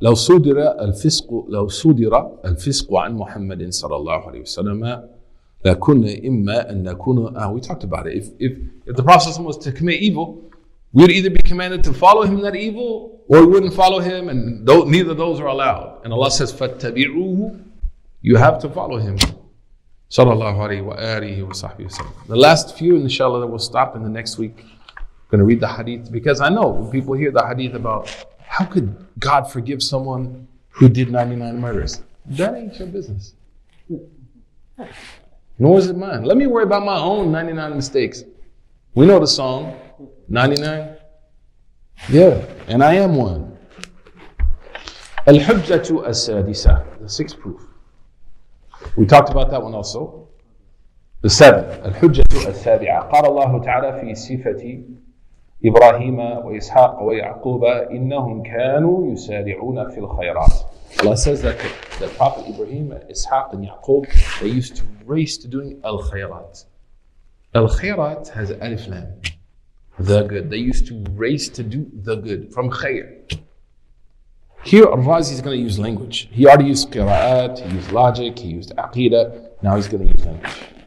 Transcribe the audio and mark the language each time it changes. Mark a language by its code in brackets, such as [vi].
[ar] لو صدر الفسق لو صدر الفسق عن محمد صلى الله عليه وسلم لكنا إما أن نكون [en] we talked about it. If the Prophet was to commit evil, we'd either be commanded to follow him in that evil, or we wouldn't follow him, and neither of those are allowed. And Allah says, "فَتَبِعُوهُ you have to follow him." Sallallahu alayhi wa alihi wa sahbihi wa sallam. The last few, inshallah, that will stop in the next week. going to read the hadith, because I know when people hear the hadith about how could God forgive someone who did 99 murders? That ain't your business. Nor is it mine. Let me worry about my own 99 mistakes. We know the song, 99. Yeah, and I am one. Al-Hujjatu As-Sadisa, the sixth proof. We talked about that one also. The seventh, Al-Hujjatu As-Sadi'a. [ar] قال الله تعالى في صفتي إبراهيم وإسحاق ويعقوب إنهم كانوا يسارعون في الخيرات. [en] Allah says that the Prophet Ibrahim, Ishaq, and Yaqub, they used to race to doing al-khayrat. Al-khayrat has alif lam, the good. They used to race to do the good from khayr. Here, Al-Razi is going to use language. He already used qira'at, he used logic, he used aqidah. Now he's going to use language.